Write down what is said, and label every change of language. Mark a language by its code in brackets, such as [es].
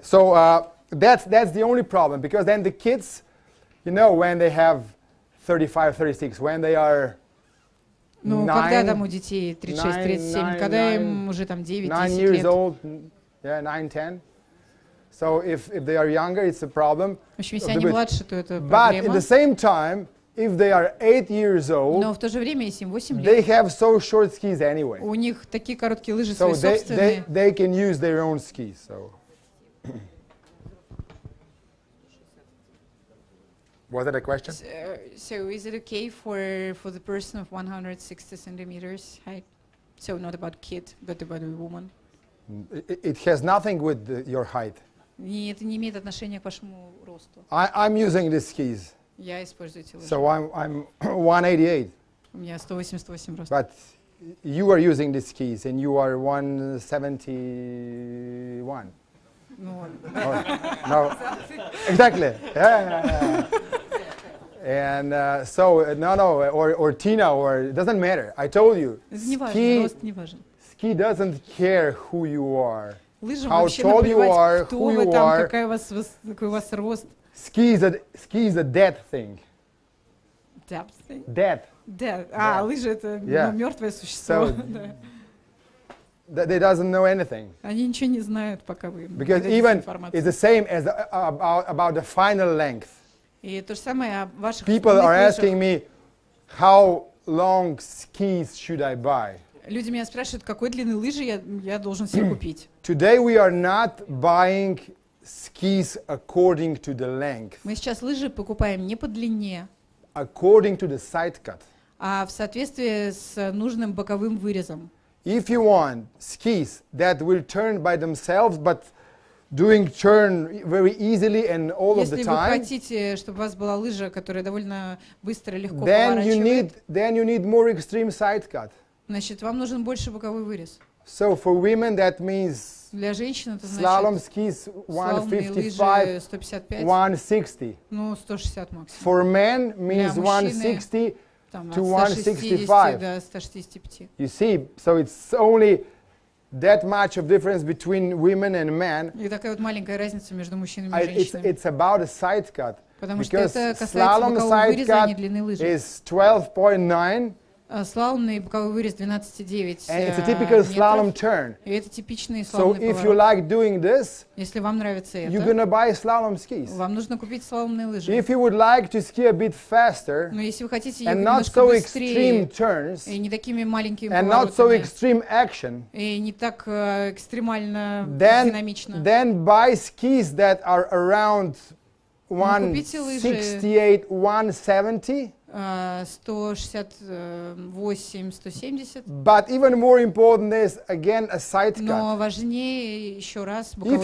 [en] So that's the only problem, because then the kids, you know, when they have 35, 36, when they are [ru] ну, 9, когда там у детей 36, 37, 9, когда 9, им уже там 9, 9 10 лет. [en] Old, yeah, 9, 10. So if they are younger, it's a problem. [ru] В общем, если они младше, то это проблема. [en] But at the same time, if they are 8 years old, [ru] но в то же время, если им 8 лет, [en] they have so short skis anyway. [ru] У них такие короткие лыжи, [en] so [ru] свои собственные. [en] So they can use their own skis. So. Was that a question? So is it okay for the person of 160 centimeters height? So not about kid, but about a woman. It has nothing with your height. [ru] Это не имеет отношения к вашему росту. [en] I'm using these skis. [ru] Я использую эти лыжи. [en] So I'm 188. [ru] У меня 188 рост. [en] But you are using these skis and you are 171. No. Oh, no. Exactly. Yeah. And or Tina or it doesn't matter. I told you. Ski doesn't care who you are. How tall you are, who you are. Какой у вас рост. Ski is a dead thing. Dead thing. Dead. Dead. [ru] Ah, лыжи это мёртвое существо. [en] They doesn't know anything. [ru] Они ничего не знают, пока вы. [en] Because even it's the same as about the final length. [ru] И то же самое о ваших. [en] People are asking me, how long skis should I buy? [ru] Люди меня спрашивают, какой длины лыжи я должен себе купить. [en] Today we are not buying skis according to the length. [ru] Мы сейчас лыжи покупаем не по длине. [en] According to the side cut. [ru] А в соответствии с нужным боковым вырезом. [en] If you want skis that will turn by themselves, but doing turn very easily and all of the time, [ru] если вы хотите, чтобы у вас была лыжа, которая довольно быстро и легко поворачивает, [en] then you need more extreme side cut. [ru] Значит, вам нужен больше боковой вырез. [en] So for women that means [ru] для женщин это значит [en] slalom skis 155, 160. [ru] Ну, 160 максимум. [en] For men means 160. To 165. You see, so it's only that much of difference between women and men. [ru] И такая вот маленькая разница между мужчинами и женщинами. [en] It's about a side cut. [ru] Потому что это касается боковых вырезов, а не длины лыжи. [en] Is 12.9. [ru] Слаломный боковой вырез 12.9. [en] And it's a typical slalom turn. [ru] И это типичный слаломный поворот. [en] So if you like doing this, [ru] если вам нравится это, [en] you're gonna buy slalom skis. [ru] Вам нужно купить слаломные лыжи. [en] If you would like to ski a bit faster, [ru] но если вы хотите [en] and not so extreme turns, [ru] и не такими маленькими [en] and [ru] поворотами, [en] not so extreme action, [ru] и не так экстремально динамично, [en] then buy skis that are around 168-170. [ru] 168-170. [en] But even more important is again a side cut. [ru] Но важнее еще раз боковой